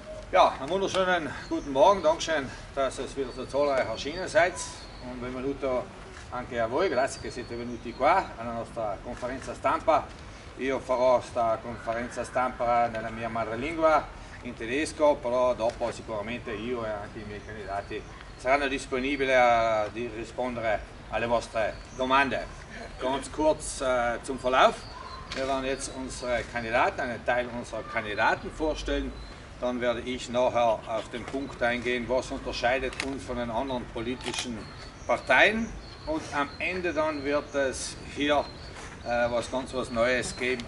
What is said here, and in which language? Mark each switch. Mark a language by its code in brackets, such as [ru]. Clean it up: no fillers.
[de] Ja, einen wunderschönen guten Morgen. Dankeschön, dass ihr wieder so zahlreich erschienen seid. [it] Und benvenuto anche a voi. Grazie che siete venuti qua alla nostra conferenza stampa. Io farò sta conferenza stampa nella mia madrelingua, in tedesco, però dopo sicuramente io e anche i miei candidati saranno disponibili a rispondere alle vostre domande. [de] Ganz kurz zum Verlauf. Wir werden jetzt unsere Kandidaten, einen Teil unserer Kandidaten vorstellen. Dann werde ich nachher auf den Punkt eingehen, was unterscheidet uns von den anderen politischen Parteien. Und am Ende dann wird es hier was ganz was Neues geben.